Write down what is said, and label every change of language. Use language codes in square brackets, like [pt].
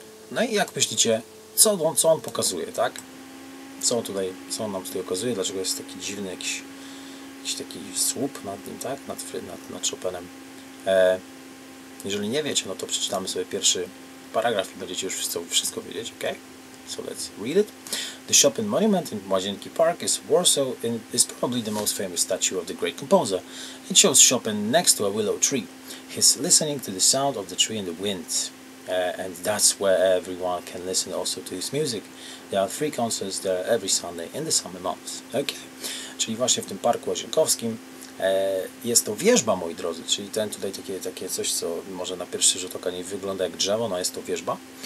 [pl] No i jak myślicie, co on pokazuje, tak? Co on nam tutaj okazuje, dlaczego jest taki dziwny jakiś taki słup nad nim, tak? Nad Chopinem. Jeżeli nie wiecie, no to przeczytamy sobie pierwszy paragraf i będziecie już wszystko wiedzieć, ok? [en] So let's read it. The Chopin Monument in Łazienki Park is Warsaw and is probably the most famous statue of the great composer. It shows Chopin next to a willow tree. He's listening to the sound of the tree and the wind. And that's where everyone can listen also to his music. There are three concerts there every Sunday in the summer months. Okay. [pl] Czyli właśnie w tym Parku Łazienkowskim jest to wierzba, moi drodzy, czyli ten tutaj takie coś, co może na pierwszy rzut oka nie wygląda jak drzewo, no jest to wierzba.